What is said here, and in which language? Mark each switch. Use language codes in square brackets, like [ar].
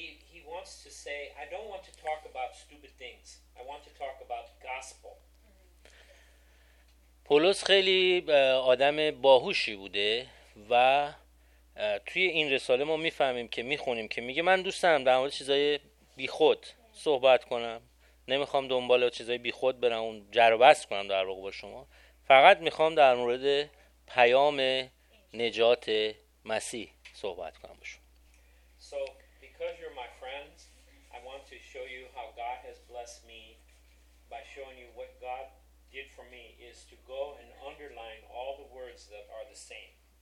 [en] He wants to say I don't want to talk about stupid things. I want to talk about gospel. [fa] پولس خیلی آدم باهوشی بوده و توی این رساله ما میفهمیم که میخونیم که میگه من دوست دارم در مورد چیزای بیخود صحبت کنم، نمیخوام دنبال چیزای بیخود برم اون جر و بس کنم در واقع با شما، فقط میخوام در مورد پیام نجات مسیح صحبت کنم با شما. [en] So because you're my friends I want to show you how God has blessed me by showing you what God did for me is to go and underline all the words that are the same.